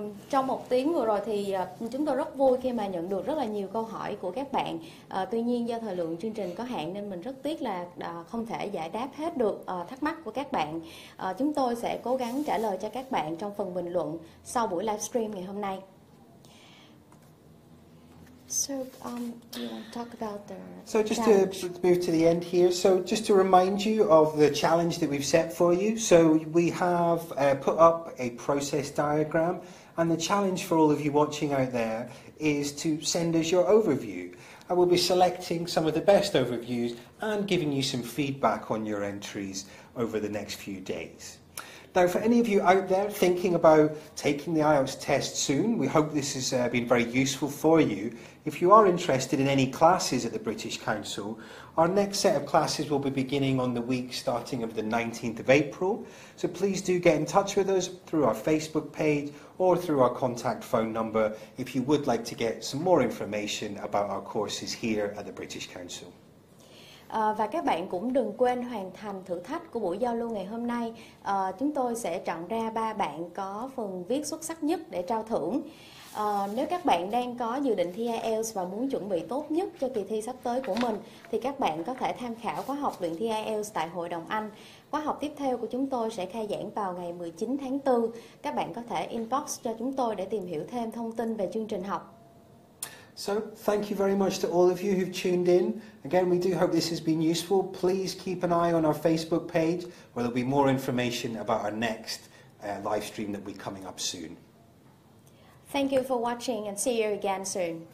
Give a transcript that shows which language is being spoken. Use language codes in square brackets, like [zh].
[vi] Trong một tiếng vừa rồi thì chúng tôi rất vui khi mà nhận được rất là nhiều câu hỏi của các bạn. Tuy nhiên do thời lượng chương trình có hạn nên mình rất tiếc là không thể giải đáp hết được thắc mắc của các bạn. Chúng tôi sẽ cố gắng trả lời cho các bạn trong phần bình luận sau buổi livestream ngày hôm nay. [en] So, do you want to talk about the challenge? To move to the end here, so just to remind you of the challenge that we've set for you. So, we have put up a process diagram, and the challenge for all of you watching out there is to send us your overview. I will be selecting some of the best overviews and giving you some feedback on your entries over the next few days. Now, for any of you out there thinking about taking the IELTS test soon, we hope this has been very useful for you. If you are interested in any classes at the British Council, our next set of classes will be beginning on the week starting of the 19th of April. So please do get in touch with us through our Facebook page or through our contact phone number if you would like to get some more information about our courses here at the British Council. [vi] Và các bạn cũng đừng quên hoàn thành thử thách của buổi giao lưu ngày hôm nay. Chúng tôi sẽ chọn ra 3 bạn có phần viết xuất sắc nhất để trao thưởng. Nếu các bạn đang có dự định thi IELTS và muốn chuẩn bị tốt nhất cho kỳ thi sắp tới của mình, thì các bạn có thể tham khảo khóa học luyện thi IELTS tại Hội đồng Anh. Khóa học tiếp theo của chúng tôi sẽ khai giảng vào ngày 19 tháng 4. Các bạn có thể inbox cho chúng tôi để tìm hiểu thêm thông tin về chương trình học. [en] So, thank you very much to all of you who've tuned in. Again, we do hope this has been useful. Please keep an eye on our Facebook page, where there'll be more information about our next live stream that will be coming up soon. Thank you for watching and see you again soon.